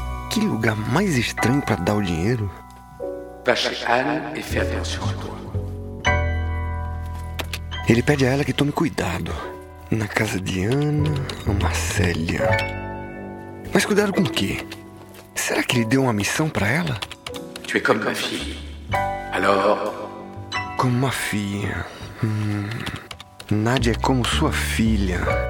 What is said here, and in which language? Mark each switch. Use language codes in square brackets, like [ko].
[pt] Que lugar mais estranho para dar o dinheiro. [fr] Va chez Anne et fais attention à toi. [pt] Ele pede a ela que tome cuidado. Na casa de Ana, uma Célia. Mas cuidado com o quê? Será que ele deu uma missão pra ela? [fr] Tu es comme ma fille. Alors? [pt] Como uma filha. Nadia é como sua filha.